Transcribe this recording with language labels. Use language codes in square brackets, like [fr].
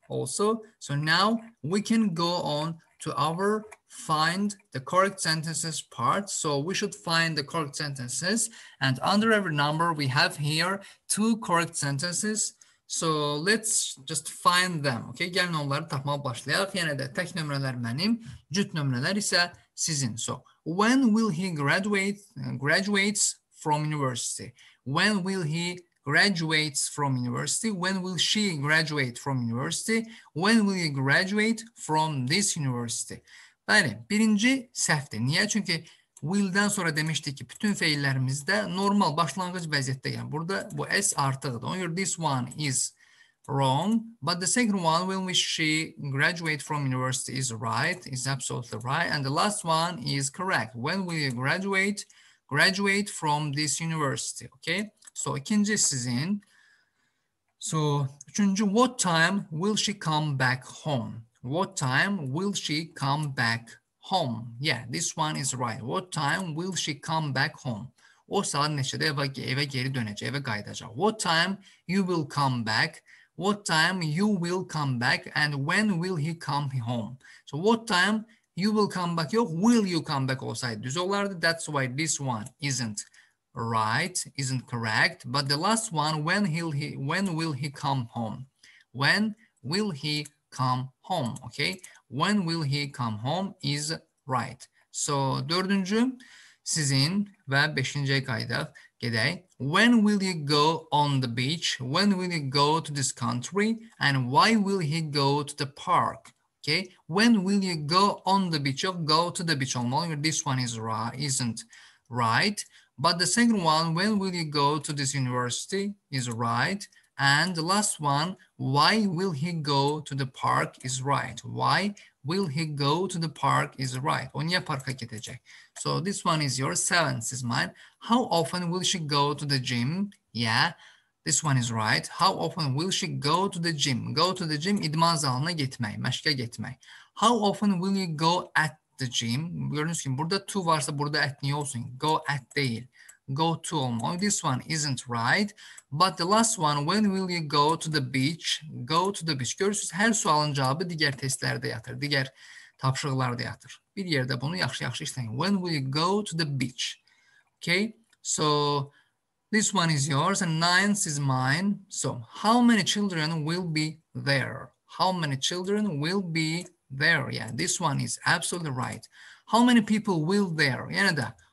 [en] Also, so now we can go on to our find the correct sentences part. So we should find the correct sentences. And under every number, we have here two correct sentences. So let's just find them. Okay, [az] gəlin onları tapmağa başlayalım. Yenə də tək nömrələr mənim, cüt nömrələr isə sizin. [en] So when will he graduates from university? When will he graduates from university? When will she graduate from university? When will you graduate from this university? [az] Bəli, birinci səhvdir. Niyə? Çünki will-dən sonra demişdik ki, bütün feillərimizdə normal başlanğıc vəziyyətdə, yəni burada bu s artıqdır. [en] On your this one is wrong, but the second one, when will she graduate from university, is right, is absolutely right, and the last one is correct. When will you graduate from this university? Okay? So, [az] ikinci sizin. [en] So, üçüncü, what time will she come back home? What time will she come back home? Yeah, this one is right. What time will she come back home? [az] O saat neçədə eve geri dönəcək, eve qayıdacaq. [en] What time you will come back? What time you will come back? And when will he come home? So, what time you will come back? [az] Yox, [en] will you come back [az] olsaydı? Düz olardı. [en] That's why this one isn't right, isn't correct, but the last one, when will he come home? When will he come home? Okay, when will he come home is right. [az] So, dördüncü sizin və beşinci qayda gedək. [en] When will you go on the beach? When will you go to this country? And why will he go to the park? Okay, when will you go on the beach? Or go to the beach? This one is isn't right. But the second one, when will you go to this university, is right. And the last one, why will he go to the park, is right. Why will he go to the park, is right. [az] O niyə parka gedəcək? [en] So this one is yours, seventh is mine. How often will she go to the gym? Yeah, this one is right. How often will she go to the gym? Go to the gym, [az] idman zalına getmək, məşqə getmək. [en] How often will you go at the gym? [az] Gördünüz ki, burada to varsa burada at niyə olsun? [en] Go at [az] deyil. [en] Go to [az] olmalı. [en] This one isn't right. But the last one, when will you go to the beach? Go to the beach. [az] Görürsünüz, hər sualın cavabı digər testlərdə yatır, digər tapşırıqlarda yatır. Bir yerdə bunu yaxşı-yaxşı işləyin. [en] When will you go to the beach? Okay, so this one is yours and ninth is mine. So, how many children will be there? How many children will be there? Yeah, this one is absolutely right. How many people will there? [az] Yenə də